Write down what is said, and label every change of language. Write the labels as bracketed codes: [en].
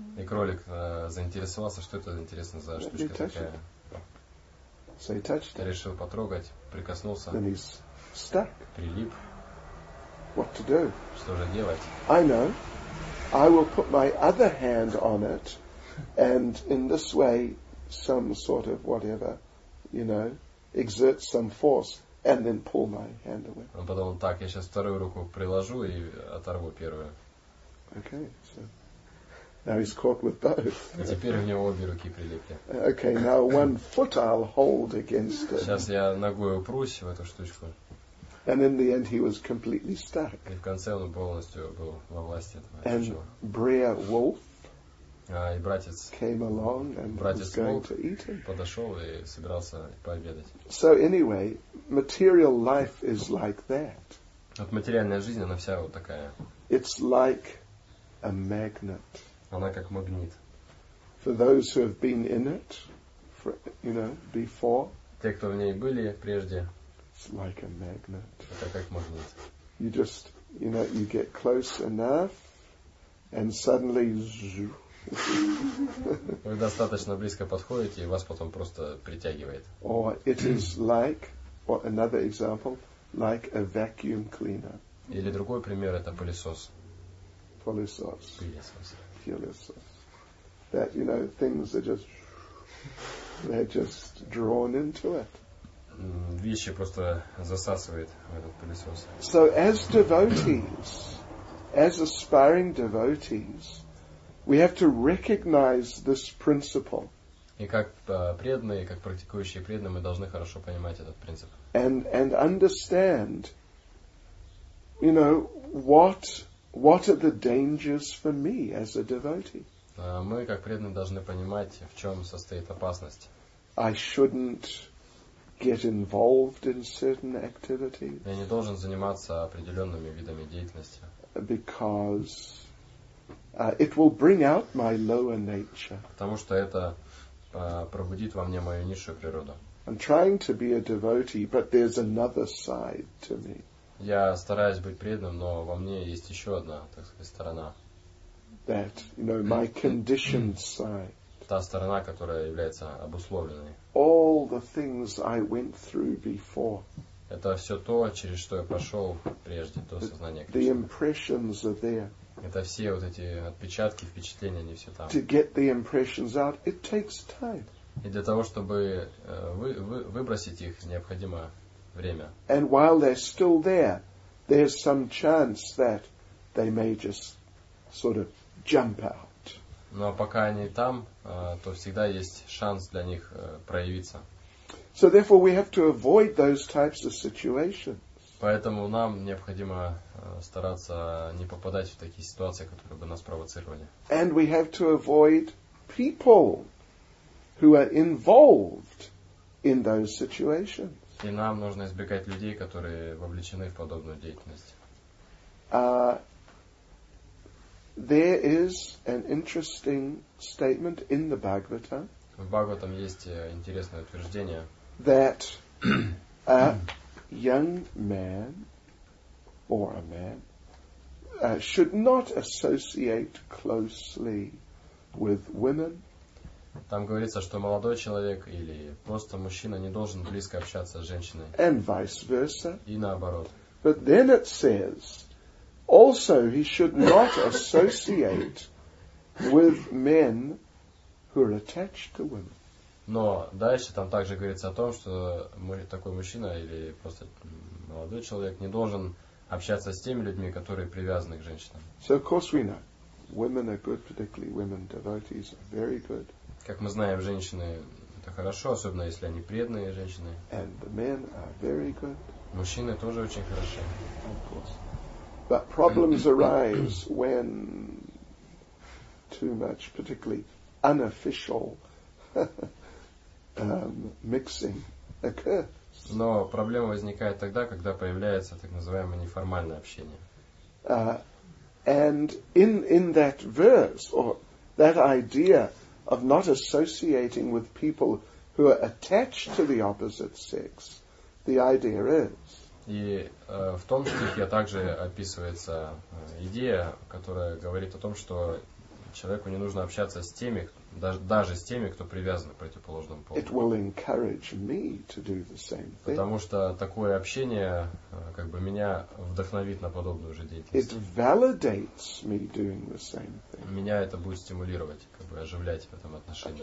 [ru] И кролик заинтересовался, что это интересно за штучка такая. [en] So he touched it. [ru] Решил потрогать, прикоснулся. [en] Then he's stuck. [ru] Прилип. [en] What to do? [ru] Что же делать? [en] I know. I will put my other hand on it, and in this way, some sort of whatever, you know, exert some force, and then pull my hand away. [ru] Он подумал, так, я сейчас вторую руку приложу и оторву первую. [en] Okay, so now he's caught with both. [ru] Теперь у него обе руки прилипли. [en] Okay, now one foot I'll hold against it. [ru] Сейчас я ногой упрусь в эту штучку. [en] And in the end, he was completely stuck. [ru] И в конце он полностью был во власти этого чучела. [en] And Brer Wolf [ru] и братец [en] came along and [ru] братец [en] was going to eat him. [ru] Подошел и собирался пообедать. [en] So anyway, material life is like that. [ru] Вот материальная жизнь, она вся вот такая. [en] It's like a magnet. [ru] Она как магнит. [en] For those who have been in it, for, you know, before. [ru] Те, кто в ней были прежде. [en] It's like a magnet. [ru] Это как магнит. [en] You just, you know, you get close enough, and suddenly. [ru] Вы достаточно близко подходите, и вас потом просто притягивает. [en] Or it is like, or another example, like a vacuum cleaner. [ru] Или другой пример это пылесос. Пылесос. Пылесос. Пылесос. [en] That, you know, things are just, they're just drawn into it. [ru] Вещи просто засасывает в этот пылесос. [en] So as devotees, as aspiring devotees, we have to recognize this principle. [ru] И как преданные, как практикующие преданные, мы должны хорошо понимать этот принцип. [en] And understand, you know, what are the dangers for me as a devotee? [ru] Мы как преданные должны понимать, в чем состоит опасность. [en] I shouldn't get involved in certain activities. [ru] Я не должен заниматься определенными видами деятельности. [en] Because it will bring out my lower nature. [ru] Потому что это пробудит во мне мою низшую природу. [en] I'm trying to be a devotee, but there's another side to me. [ru] Я стараюсь быть преданным, но во мне есть еще одна, так сказать, сторона. [en] That, you know, my conditioned side. [ru] Та сторона, которая является обусловленной. [en] All the things I went through before. [ru] Это все то, через что я прошел прежде, до сознания Кришны. [en] The impressions are there. [ru] Это все вот эти отпечатки, впечатления, они все там. [en] To get the impressions out, it takes time. [ru] И для того, чтобы выбросить их, необходимо время. [en] And while they're still there, there's some chance that they may just sort of jump out. [ru] Но пока они там, то всегда есть шанс для них проявиться. [en] So therefore we have to avoid those types of situations. [ru] Поэтому нам необходимо стараться не попадать в такие ситуации, которые бы нас провоцировали. [en] And we have to avoid people who are involved in those situations. [ru] И нам нужно избегать людей, которые вовлечены в подобную деятельность. [en] There is an interesting statement in the Bhagavatam. [ru] В Бхагаватам есть интересное утверждение. [en] That a young man or a man should not associate closely with women. [ru] Там говорится, что молодой человек или просто мужчина не должен близко общаться с женщиной. [en] And vice versa. [ru] И наоборот. [en] But then it says, also he should not associate with men who are attached to women. [ru] Но дальше там также говорится о том, что такой мужчина или просто молодой человек не должен общаться с теми людьми, которые привязаны к женщинам. [en] So of course we know, women are good, particularly women devotees are very good. [ru] Как мы знаем, женщины это хорошо, особенно если они преданные женщины. [en] And the men are very good. [ru] Мужчины тоже очень хороши. [en] Of course. But problems arise when too much, particularly unofficial mixing occurs. [ru] Но проблема возникает тогда, когда появляется так называемое неформальное общение. [en] And in that verse or that idea of not associating with people who are attached to the opposite sex, the idea is. [ru] И в том стихе также описывается идея, которая говорит о том, что человеку не нужно общаться с теми, даже с теми, кто привязан к противоположному полу. [en] It will encourage me to do the same thing. [ru] Потому что такое общение как бы меня вдохновит на подобную же деятельность. [en] It validates me doing the same thing. [ru] Меня это будет стимулировать, как бы оживлять в этом отношении.